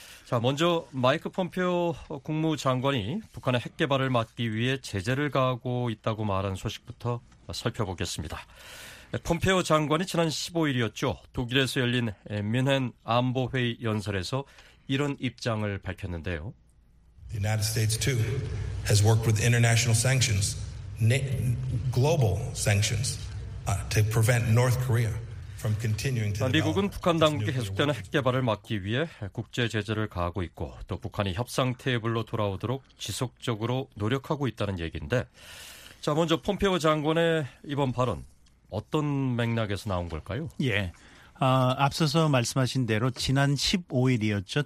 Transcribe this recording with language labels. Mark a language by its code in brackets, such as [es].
[ko] 자, 먼저 마이크 폼페오 국무장관이 북한의 핵 개발을 막기 위해 제재를 가하고 있다고 말한 소식부터 살펴보겠습니다. 폼페오 장관이 지난 15일이었죠. 독일에서 열린 뮌헨 안보회의 연설에서 이런 입장을 밝혔는데요. [en] The United States too has worked with international sanctions, global sanctions to prevent North Korea. [ko] 미국은 북한 당국의 계속되는 핵 개발을 막기 위해 국제 제재를 가하고 있고 또 북한이 협상 테이블로 돌아오도록 지속적으로 노력하고 있다는 얘기인데 자 먼저 폼페오 장관의 이번 발언 어떤 맥락에서 나온 걸까요? 예, 앞서서 말씀하신 대로 지난 15일이었죠.